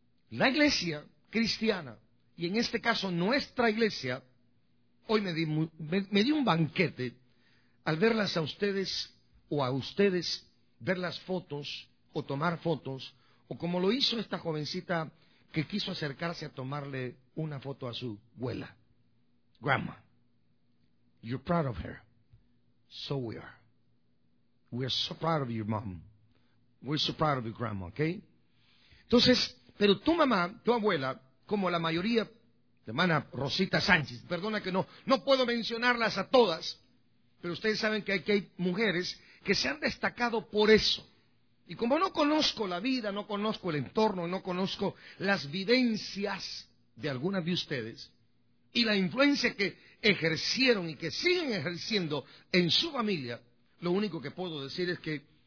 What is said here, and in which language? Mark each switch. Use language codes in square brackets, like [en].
[es] La iglesia cristiana, y en este caso nuestra iglesia, hoy me di un banquete al verlas a ustedes o a ustedes ver las fotos o tomar fotos, o como lo hizo esta jovencita que quiso acercarse a tomarle una foto a su abuela. [en] Grandma, you're proud of her. So we are. We're so proud of your mom. We're so proud of your grandma, okay? [es] Entonces, pero tu mamá, tu abuela, como la mayoría, hermana Rosita Sánchez, perdona que no puedo mencionarlas a todas, pero ustedes saben que aquí hay mujeres que se han destacado por eso. Y como no conozco la vida, no conozco el entorno, no conozco las vivencias de algunas de ustedes y la influencia que ejercieron y que siguen ejerciendo en su familia, lo único que puedo decir es que